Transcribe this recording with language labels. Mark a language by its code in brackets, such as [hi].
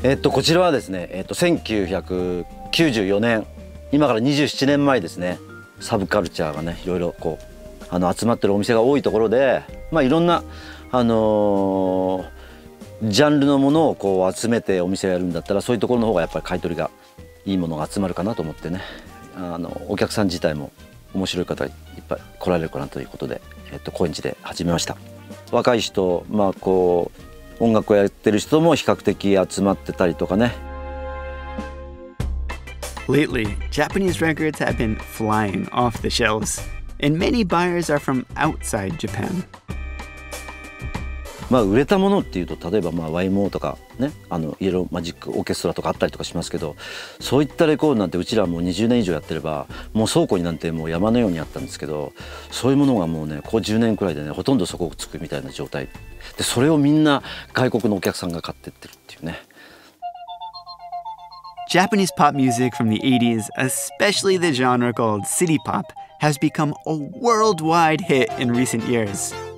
[ja] こちらはですね、1994年、今から27年前ですね、サブカルチャーがね、いろいろこう、集まってるお店が多いところで、まあいろんな、ジャンルのものをこう集めてお店をやるんだったら、そういうところの方がやっぱり買い取りがいいものが集まるかなと思ってね、お客さん自体も面白い方がいっぱい来られるかなということで、高円寺で始めました。若い人、まあこう音楽をやってる人も比較的集まってたりとかね。 [en] Lately, Japanese records have been flying off the shelves, and many buyers are from outside Japan. [ja] まあ売れたものっていうと、例えばまあ YMO とかね、イエローマジックオーケストラとかあったりとかしますけど、そういったレコードなんてうちらはもう20年以上やってれば、もう倉庫になんてもう山のようにあったんですけど、そういうものがもうね、ここ10年くらいでね、ほとんど底をつくみたいな状態で、それをみんな外国のお客さんが買ってってるっていうね。 [en] Japanese pop music from the 80s, especially the genre called city pop, has become a worldwide hit in recent years.